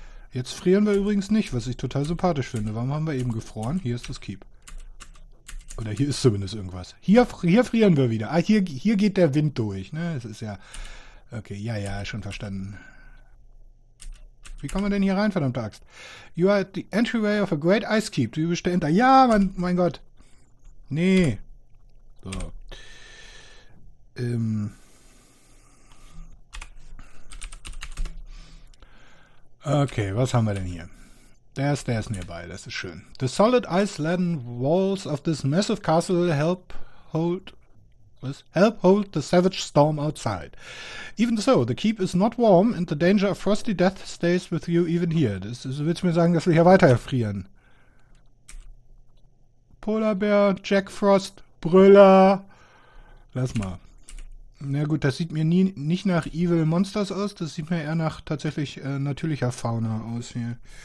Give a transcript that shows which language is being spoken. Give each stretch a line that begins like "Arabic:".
German: Jetzt frieren wir übrigens nicht, was ich total sympathisch finde. Warum haben wir eben gefroren? Hier ist das Keep. Oder hier ist zumindest irgendwas. Hier frieren wir wieder. Ah, hier geht der Wind durch. Ne? Es ist ja... Okay, ja, schon verstanden. Wie kommen wir denn hier rein, verdammte Axt?
English: You are at the entryway of a great ice keep.
German: Du bist dahinter. Ja, mein Gott. Nee. So. Okay, was haben wir denn hier? Der ist nearby, das ist schön.
English: The solid ice-laden walls of this massive castle help hold the savage storm outside. Even so, the keep is not warm and the danger of frosty death stays with you even here.
German: Das ist, willst du mir sagen, dass wir hier weiter erfrieren? Polar Bear, Jack Frost, Brüller. Lass mal. Na gut, das sieht mir nicht nach Evil Monsters aus, das sieht mir eher nach tatsächlich natürlicher Fauna aus hier.